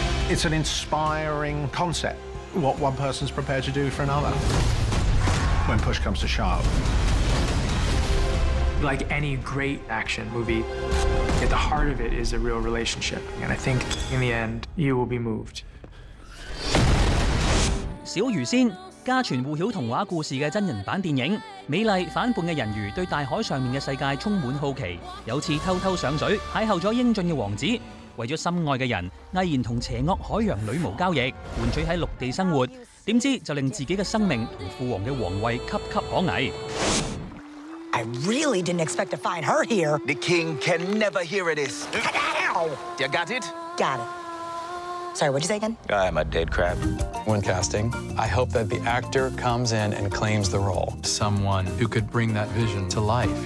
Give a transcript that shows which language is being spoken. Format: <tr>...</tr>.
<en>It's an inspiring concept, what one person's prepared to do for another. When push comes to shove. Like any great action movie, at the heart of it is a real relationship. And I think in the end, you will be moved.</en> <yue>小魚仙，家傳互曉童話故事的真人版電影，美麗反叛的人魚對大海上面的世界充滿好奇，有次偷偷上水邂逅了英俊的王子，為了心愛的人毅然同邪惡海洋女巫交易，換取在陸地生活，誰知就令自己的生命和父王的皇位岌岌可危。</yue> <en>I really didn't expect to find her here. The king can never hear it is. Ow! You got it? Got it. Sorry, what'd you say again? I'm a dead crab. When casting, I hope that the actor comes in and claims the role. Someone who could bring that vision to life.</en>